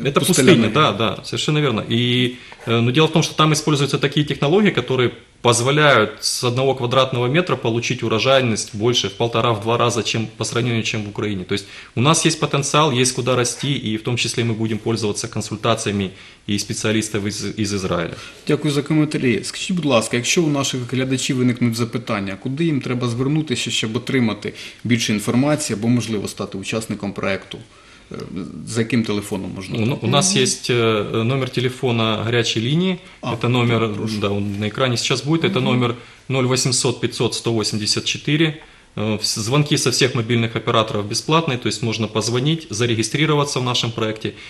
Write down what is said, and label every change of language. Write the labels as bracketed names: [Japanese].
[Russian] Это пустыня, да, да, совершенно верно. И, но дело в том, что там используются такие технологии, которые позволяют с одного квадратного метра получить урожайность больше в полтора, в два раза, чем по сравнению, чем в Украине. То есть у нас есть потенциал, есть куда расти, и в том числе мы будем пользоваться консультациями и специалистов из Израиля. [Ukrainian] Дякую за коментарі. Скажіть, будь ласка, якщо у наших глядачів виникнуть запитання, куди їм треба звернутися, щоб отримати більше інформації або, можливо, стати учасником проекту? [Russian] За каким телефоном можно? У нас есть номер телефона горячей линии. Это номер, да, он на экране сейчас будет. Это номер 0800-500-184. Звонки со всех мобильных операторов бесплатные, то есть можно позвонить, зарегистрироваться в нашем проекте.